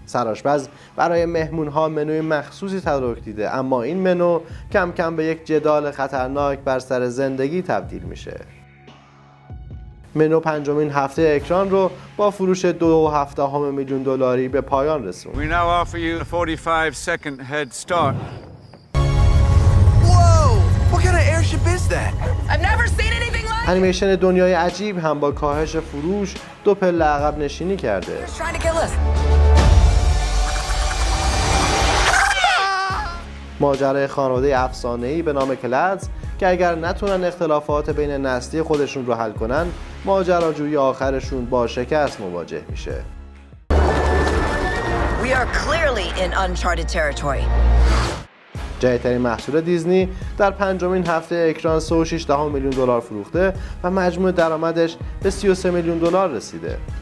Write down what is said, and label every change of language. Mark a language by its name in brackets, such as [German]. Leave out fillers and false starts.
[Persian] سرآشپز برای مهمون‌ها منوی مخصوصی تدارک دیده، اما این منو کم کم به یک جدال خطرناک بر سر زندگی تبدیل میشه. منو 5 هفته اکران رو با فروش 2.7 میلیون دلاری به پایان رسوند. [English] We now offer you a 45 second head start. Whoa! What kind of airship is that? I've never seen anything like it. [Persian] انیمیشن دنیای عجیب هم با کاهش فروش 2 پله عقب نشینی کرده. ماجرای خانواده افسانه‌ای به نام کلدز که اگر نتونن اختلافات بین نسلی خودشون رو حل کنن، ماجراجویی آخرشون با شکست مواجه میشه. [English] We are clearly in uncharted territory. [Persian] جدیدترین محصول دیزنی در پنجمین هفته اکران 36 میلیون دلار فروخته و مجموع درآمدش به 33 میلیون دلار رسیده.